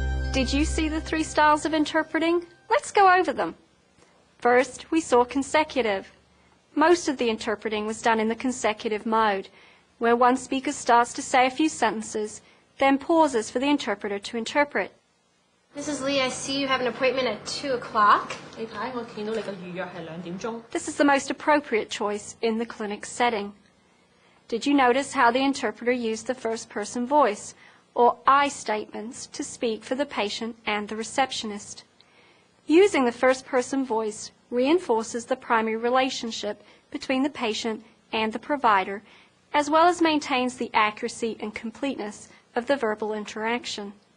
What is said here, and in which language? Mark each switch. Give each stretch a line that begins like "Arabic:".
English: Did you see the three styles of interpreting? Let's go over them. First, we saw consecutive. Most of the interpreting was done in the consecutive mode, where one speaker starts to say a few sentences, then pauses for the interpreter to interpret. Mrs. Lee, I see you have an appointment at 2 o'clock.
Chinese: 你看,我看到你的预约是2点钟。
English: This is the most appropriate choice in the clinic setting. Did you notice how the interpreter used the first-person voice, or I statements, to speak for the patient and the receptionist? Using the first-person voice reinforces the primary relationship between the patient and the provider, as well as maintains the accuracy and completeness of the verbal interaction.